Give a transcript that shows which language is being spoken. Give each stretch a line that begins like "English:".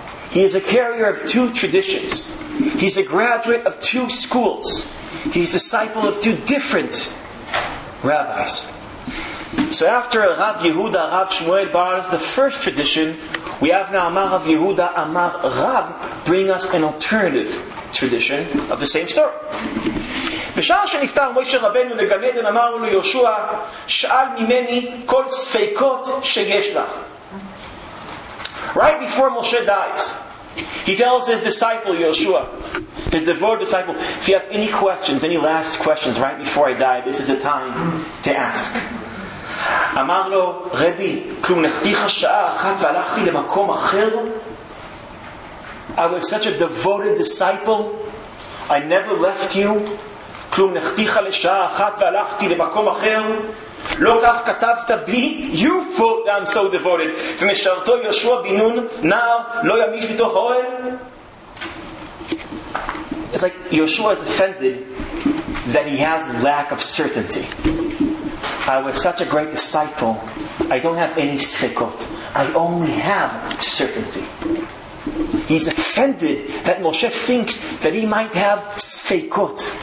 English: He is a carrier of two traditions. He's a graduate of two schools. He's a disciple of two different rabbis. So after Rav Yehuda, Rav Shmuel borrows the first tradition, we have now Amar Rav Yehuda, Amar Rav, bring us an alternative tradition of the same story.
Hebrew: בשעה שנפטר משה רבנו לגן עדן אמרו לו יהושע שאל ממני כל ספקות שיש לך.
English: Right before Moshe dies, he tells his disciple Yehoshua, his devoted disciple, if you have any questions, any last questions right before I die, this is the time to ask.
Hebrew: אמר לו רבי, כלום נחתיך שעה אחת והלכתי למקום אחר.
English: I was such a devoted disciple, I never left you.
Hebrew: כלום נחתיך לשעה אחת והלכתי למקום אחר. לא כך כתבת בי,
English: you thought that I'm so devoted.
Hebrew: ומשרתו יהושע בן נון, נער, לא ימיש בתוך האוהל.
English: It's like, יהושע is offended that he has lack of certainty. I was such a great disciple, I don't have any ספקות. I only have certainty. He's offended that Moshe thinks that he might have ספקות.